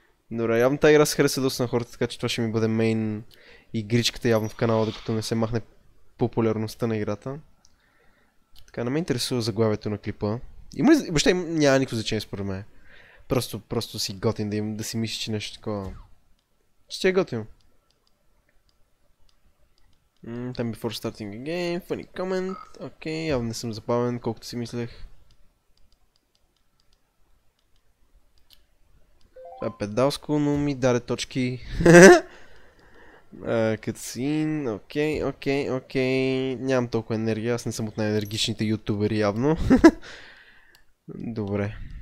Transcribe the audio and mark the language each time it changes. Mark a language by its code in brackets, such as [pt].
[bg] Добре, явно тази игра се хареса доста на хората, така че това ще ми бъде мейн игричката явно в канала, докато не се махне популярността на играта. Така, не ме интересува заглавието на клипа. Има ли, въобще няма никакво значение според мен. Просто си готин да си мислиш, че нещо такова. Че ти е готин. [en] Time before starting a game, funny comment. [bg] Окей, okay, явно не съм забавен, колкото си мислех. Това е педалско, но ми даде точки. Cutscene, окей, окей, окей. Нямам толкова енергия, аз не съм от най-енергичните ютубери явно. Добре.